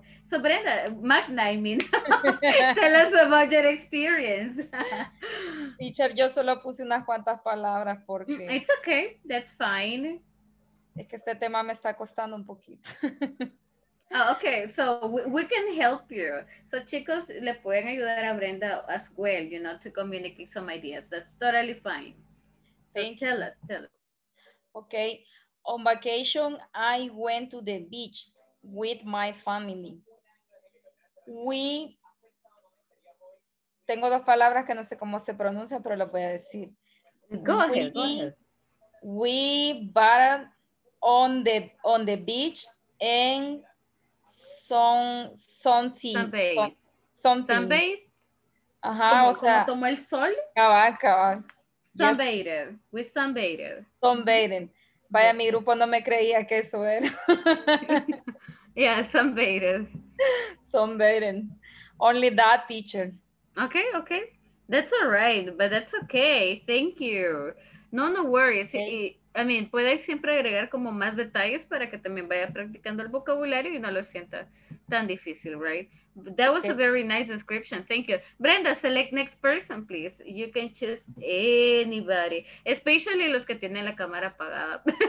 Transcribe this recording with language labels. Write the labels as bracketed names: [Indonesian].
[English] So Brenda, Magna, I mean, tell us about your experience. [Spanish] Teacher, yo solo puse unas cuantas palabras porque... [English] It's okay, that's fine. [Spanish] Es que este tema me está costando un poquito. [English] Okay, so we can help you. So chicos, [Spanish] le pueden ayudar a Brenda [English] as well, you know, to communicate some ideas. That's totally fine. Thank you. Tell us. Okay, on vacation, I went to the beach with my family. [Spanish] Tengo dos palabras que no sé cómo se pronuncian, pero lo voy a decir. [English] Go ahead. We bathed on the beach and sunbathed. [Spanish] Ajá, o sea, como tomó el sol. Cabal. [English] Sunbathed. [Spanish] Vaya, yes. Mi grupo no me creía que eso era. [English] Yeah, sunbathed. Sunbathing. Only that, teacher. Okay. That's all right, but that's okay. Thank you. No worries. Okay. [Spanish] I mean, puedes siempre agregar como más detalles para que también vaya practicando el vocabulario y no lo sienta tan difícil, right? [English] That was a very nice description. Thank you. Brenda, select next person, please. You can choose anybody, especially [Spanish] los que tienen la cámara apagada.